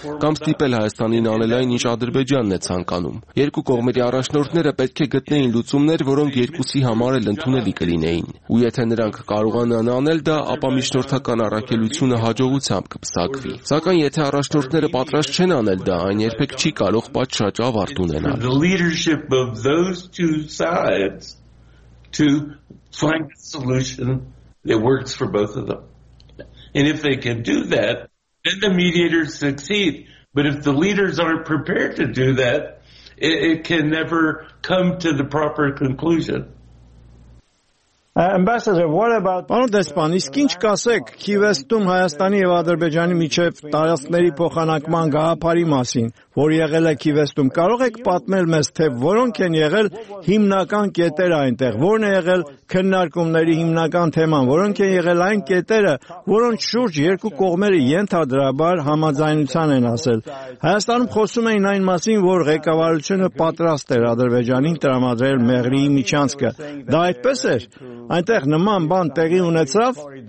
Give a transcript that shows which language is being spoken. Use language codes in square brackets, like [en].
[hy] կամ ստիպել Հայաստանին անել այն, ինչ Ադրբեջանն է ցանկանում։ Երկու կողմերի առաջնորդները պետք է գտնեին լուծումներ, որոնք երկուսի համար էլ ընդունելի կլինեին։ Ու եթե նրանք կարողանան անել դա, ապա միջնորդական առաքելությունը հաջողությամբ կփսակվի։ Սակայն եթե առաջնորդները պատրաստ չեն անել դա, այն երբեք չի կարող պատշաճ ավարտ ունենալ։ [en] The leadership of those two sides to find a solution that works for both of them. And if they can do that, then the mediators succeed. But if the leaders aren't prepared to do that, it can never come to the proper conclusion. Ambassador, what about [hy] Պարոն Դեսպան, իսկ ինչ կասեք Քիվեստում Հայաստանի եւ Ադրբեջանի միջև տարածքների փոխանակման գաղափարի մասին, որ եղել է Քիվեստում։ Կարող եք պատմել մեզ, թե որոնք են եղել հիմնական կետերը այնտեղ, որն է եղել քննարկումների հիմնական թեման, որոնք են եղել այն կետերը, որոնց շուրջ երկու կողմերը ենթադրաբար համաձայնության են հասել։ Հայաստանում խոսում էին այն մասին, որ ղեկավարությունը պատրաստ էր Ադրբեջանին տրամադրել Մեղրի միջանցքը։ Դա այդպես էր։ Այնտեղ նման բան տեղի ունեցավ